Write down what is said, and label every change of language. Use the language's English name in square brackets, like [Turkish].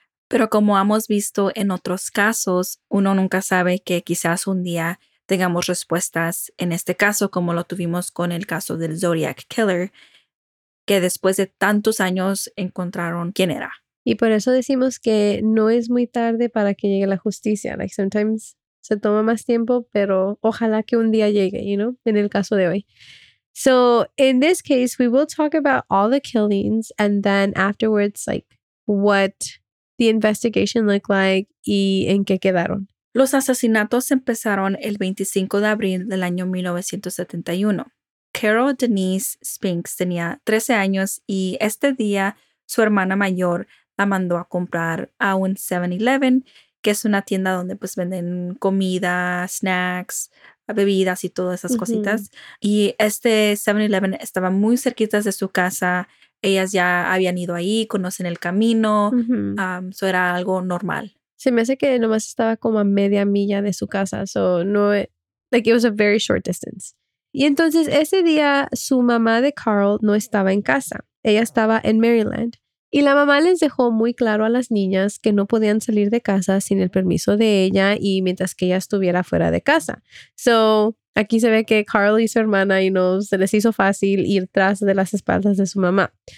[Spanish] Pero como hemos visto en otros casos, uno nunca sabe que quizás un día tengamos respuestas en este caso, como lo tuvimos con el caso del Zodiac Killer, que después de tantos años encontraron quién era. Y por eso decimos que no es muy tarde para que llegue la justicia. [English] Like sometimes [Spanish] se toma más tiempo, pero ojalá que un día llegue, you know, en el caso de hoy. [English] So, in this case, we will talk about all the killings and then afterwards, like, what the investigation looked like [Spanish] y en qué quedaron. Los asesinatos empezaron el 25 de abril del año 1971. Carol Denise Spinks tenía 13 años y este día su hermana mayor la mandó a comprar a un 7-Eleven, que es una tienda donde pues venden comida, snacks, bebidas y todas esas cositas. Y este 7-Eleven estaba muy cerquita de su casa. Ellas ya habían ido ahí, conocen el camino. So era algo normal. Se me hace que nomás estaba como a media milla de su casa. [English] So no, like it was a very short distance. [Spanish] Y entonces ese día su mamá de Carol no estaba en casa. Ella estaba en Maryland. Y la mamá les dejó muy claro a las niñas que no podían salir de casa sin el permiso de ella y mientras que ella estuviera fuera de casa. So, aquí se ve que Carl y su hermana, you know, se les hizo fácil ir tras de las espaldas de su mamá.